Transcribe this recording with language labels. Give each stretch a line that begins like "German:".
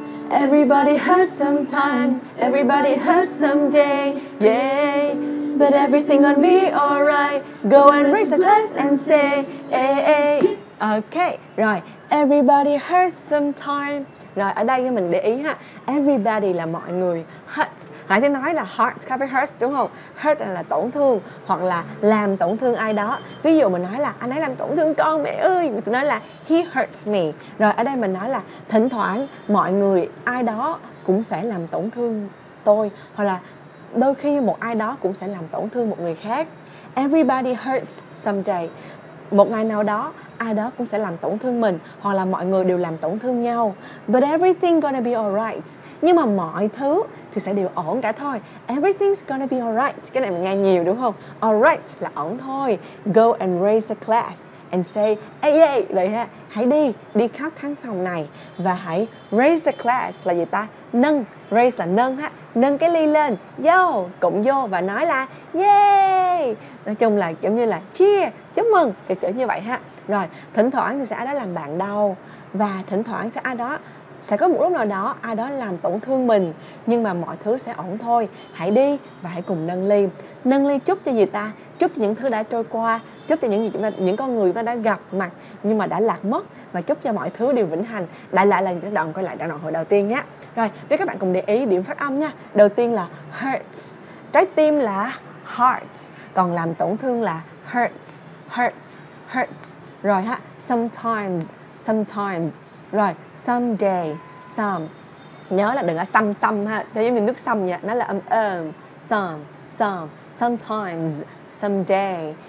English: Everybody hurts sometimes, everybody hurts someday. Yay! But everything gonna be alright. Go and raise a glass and say, ay, ay.
Vietnamese: Okay, rồi.
English: Everybody hurts sometime.
Vietnamese: Rồi, ở đây mình để ý ha. Everybody là mọi người. Hurts. Hãy thấy nói là hurts, copy hurts, đúng không? Hurt là tổn thương hoặc là làm tổn thương ai đó. Ví dụ mình nói là anh ấy làm tổn thương con, mẹ ơi. Mình sẽ nói là
English: he hurts me.
Vietnamese: Rồi, ở đây mình nói là thỉnh thoảng mọi người, ai đó cũng sẽ làm tổn thương tôi. Hoặc là đôi khi một ai đó cũng sẽ làm tổn thương một người khác.
English: Everybody hurts someday.
Vietnamese: Một ngày nào đó, ai đó cũng sẽ làm tổn thương mình. Hoặc là mọi người đều làm tổn thương nhau.
English: But everything gonna be alright.
Vietnamese: Nhưng mà mọi thứ thì sẽ đều ổn cả thôi.
English: Everything's gonna be alright.
Vietnamese: Cái này mình nghe nhiều đúng không? Alright là ổn thôi.
English: Go and raise a class and say, hey, yay,
Vietnamese: vậy ha. Hãy đi, đi khắp căn phòng này. Và hãy
English: raise a class
Vietnamese: là gì ta? Nâng, raise là nâng ha. Nâng cái ly lên, vô, cụm vô và nói là yay. Nói chung là giống như là cheer, chúc mừng, kiểu như vậy ha. Rồi, thỉnh thoảng thì sẽ ai đó làm bạn đau. Và thỉnh thoảng sẽ ai đó, sẽ có một lúc nào đó ai đó làm tổn thương mình. Nhưng mà mọi thứ sẽ ổn thôi. Hãy đi và hãy cùng nâng ly. Nâng ly chúc cho gì ta? Chúc cho những thứ đã trôi qua. Chúc cho những gì chúng ta, những con người chúng ta đã gặp mặt nhưng mà đã lạc mất. Và chúc cho mọi thứ đều vĩnh hằng. Đại lại là những đoạn quay lại đoạn hồi đầu tiên nhé. Rồi, với các bạn cùng để ý điểm phát âm nha. Đầu tiên là hurts. Trái tim là hearts. Còn làm tổn thương là hurts, hurts, hurts. Rồi ha, sometimes, sometimes. Rồi, someday, some. Nhớ là đừng có some ha. Thế giống như nước some nha. Nó là âm ơm.
English: Some, some, sometimes, someday.